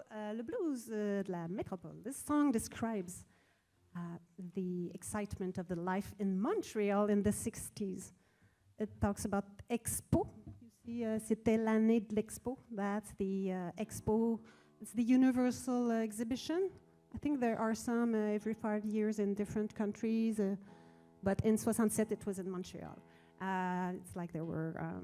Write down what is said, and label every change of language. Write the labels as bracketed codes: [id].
[fr] Le blues de la métropole. [en] This song describes the excitement of the life in Montreal in the 60s. It talks about Expo. You see, [fr] c'était l'année de l'Expo. [en] That's the Expo. It's the Universal Exhibition. I think there are some every 5 years in different countries, but in 67 it was in Montreal. It's like there were.